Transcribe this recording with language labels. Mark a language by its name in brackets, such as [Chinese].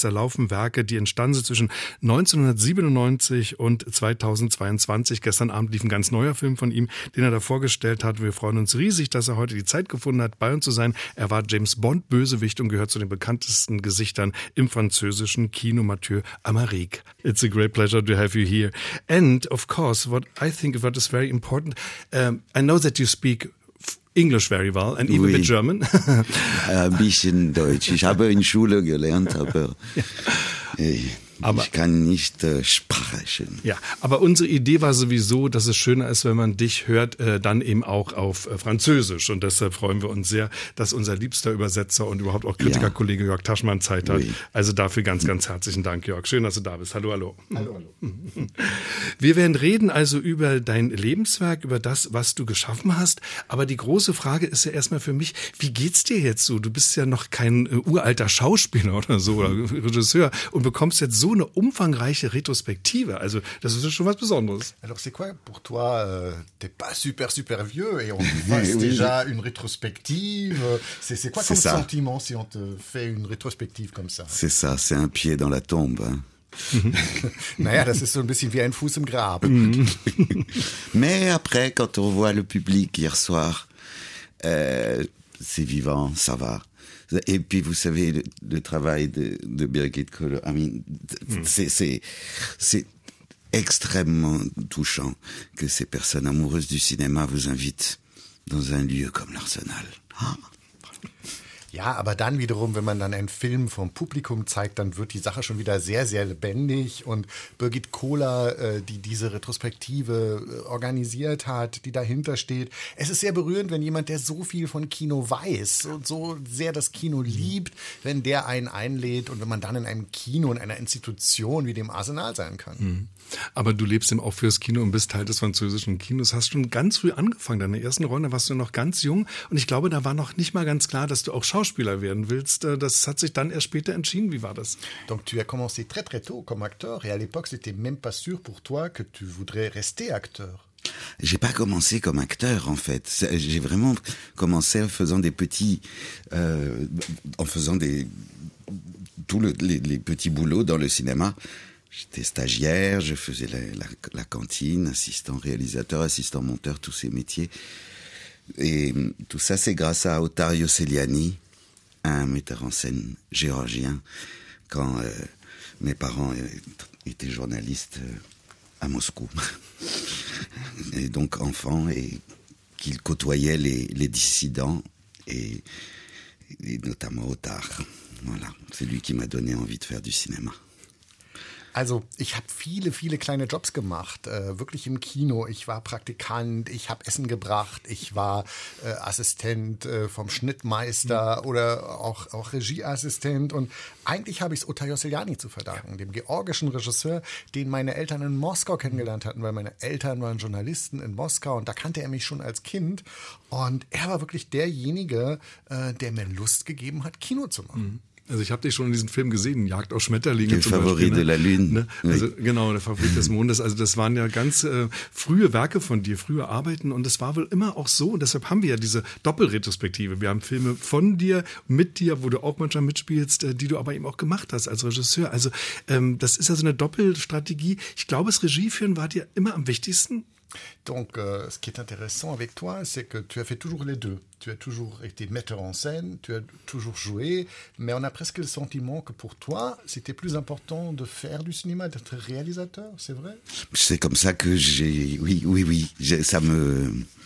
[German] Da laufen Werke, die entstanden sind zwischen 1997 und 2022. Gestern Abend lief ein ganz neuer Film von ihm, den er da vorgestellt hat. Wir freuen uns riesig, dass er heute die Zeit gefunden hat, bei uns zu sein. Er war James Bond Bösewicht und gehört zu den bekanntesten Gesichtern im französischen Kino, Mathieu Amalric. [English] It's a great pleasure to have you here. And of course, what I think about is very important. I know that you speak English very well and even a bit German. [German] Ein bisschen Deutsch. Ich habe in Schule gelernt, aber aber ich kann nicht sprechen. Ja, aber unsere Idee war sowieso, dass es schöner ist, wenn man dich hört, dann eben auch auf Französisch. Und deshalb freuen wir uns sehr, dass unser liebster Übersetzer und überhaupt auch Kritikerkollege Jörg Taschmann Zeit hat. Also dafür ganz, ganz herzlichen Dank, Jörg. Schön, dass du da bist. Hallo, hallo. Hallo, hallo. Wir werden reden also über dein Lebenswerk, über das, was du geschaffen hast. Aber die große Frage ist ja erstmal für mich, wie geht's dir jetzt so? Du bist ja noch kein uralter Schauspieler oder so oder Regisseur und bekommst jetzt so eine umfangreiche Retrospektive, also das ist schon was Besonderes. [French] Alors c'est quoi pour toi, t'es pas super super vieux et on fasse déjà une rétrospective, c'est quoi ton sentiment si on te fait une rétrospective comme ça? C'est ça, c'est un pied dans la tombe. Hein. [German] Naja, das ist so ein bisschen wie ein Fuß im Grab. [French] Mais après, quand on voit le public hier soir, c'est vivant, ça va. Et puis, vous savez, le travail de Birgit Kohler, [English] I mean, [French] c'est extrêmement touchant que ces personnes amoureuses du cinéma vous invitent dans un lieu comme l'Arsenal. Ah. [German] Ja, aber dann wiederum, wenn man dann einen Film vom Publikum zeigt, dann wird die Sache schon wieder sehr, sehr lebendig. Und Birgit Kohler, die diese Retrospektive organisiert hat, die dahinter steht. Es ist sehr berührend, wenn jemand, der so viel von Kino weiß und so sehr das Kino liebt, wenn der einen einlädt und wenn man dann in einem Kino, in einer Institution wie dem Arsenal sein kann. Aber du lebst eben auch fürs Kino und bist Teil des französischen Kinos. Hast schon ganz früh angefangen, deine ersten Rollen, da warst du noch ganz jung. Und ich glaube, da war noch nicht mal ganz klar, dass du auch Schauspieler werden willst. Das hat sich dann erst später entschieden. Wie war das? [French] Donc tu as commencé très très tôt comme acteur et à l'époque c'était même pas sûr pour toi que tu voudrais rester acteur. J'ai pas commencé comme acteur en fait. J'ai vraiment commencé en faisant des petits, en faisant des tous les petits boulots dans le cinéma. J'étais stagiaire, je faisais la cantine, assistant réalisateur, assistant monteur, tous ces métiers. Et tout ça, c'est grâce à Ottario Celiani, un metteur en scène géorgien, quand mes parents étaient journalistes à Moscou. Et donc enfant, et qu'il côtoyait les dissidents, et notamment Otar. Voilà, c'est lui qui m'a donné envie de faire du cinéma. [German] Also ich habe viele, viele kleine Jobs gemacht, wirklich im Kino. Ich war Praktikant, ich habe Essen gebracht, ich war Assistent vom Schnittmeister oder auch Regieassistent. Und eigentlich habe ich es Ottario Celiani zu verdanken, dem georgischen Regisseur, den meine Eltern in Moskau kennengelernt hatten, weil meine Eltern waren Journalisten in Moskau und da kannte er mich schon als Kind. Und er war wirklich derjenige, der mir Lust gegeben hat, Kino zu machen. Mhm. Also ich habe dich schon in diesem Film gesehen, Jagd auf Schmetterlinge zum Favorit Beispiel. Der Favorit, ne? De la Lune. Ne? Also, genau, der Favorit des Mondes. Also das waren ja ganz frühe Werke von dir, frühe Arbeiten. Und das war wohl immer auch so. Und deshalb haben wir ja diese Doppelretrospektive. Wir haben Filme von dir, mit dir, wo du auch manchmal mitspielst, die du aber eben auch gemacht hast als Regisseur. Also das ist ja so eine Doppelstrategie. Ich glaube, das Regie führen war dir immer am wichtigsten. [French] Donc, ce qui est intéressant avec toi, c'est que tu as fait toujours les deux. Tu as toujours été metteur en scène, tu as toujours joué, mais on a presque le sentiment que pour toi, c'était plus important de faire du cinéma, d'être réalisateur, c'est vrai? C'est comme ça que j'ai... Oui, oui, oui, ça me...